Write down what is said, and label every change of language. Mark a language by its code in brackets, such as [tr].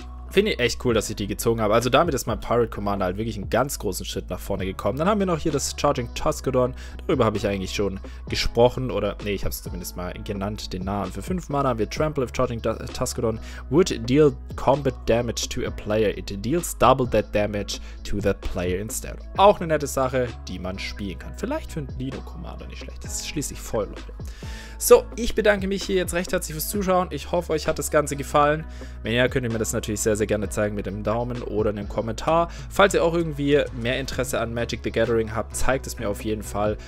[de] Finde ich echt cool, dass ich die gezogen habe. Also damit ist mein Pirate Commander halt wirklich einen ganz großen Schritt nach vorne gekommen. Dann haben wir noch hier das Charging Tuskadon. Darüber habe ich eigentlich schon gesprochen. Oder, nee, ich habe es zumindest mal genannt, den Namen. Für 5 Mana haben wir Trample of Charging Tuskadon. [en] Would deal combat damage to a player. It deals double that damage to that player instead. [de] Auch eine nette Sache, die man spielen kann. Vielleicht für einen Lido Commander nicht schlecht. Das ist schließlich voll, Leute. So, ich bedanke mich hier jetzt recht herzlich fürs Zuschauen. Ich hoffe, euch hat das Ganze gefallen. Wenn ja, könnt ihr mir das natürlich sehr, sehr gerne zeigen mit einem Daumen oder einem Kommentar. Falls ihr auch irgendwie mehr Interesse an Magic the Gathering habt, zeigt es mir auf jeden Fall.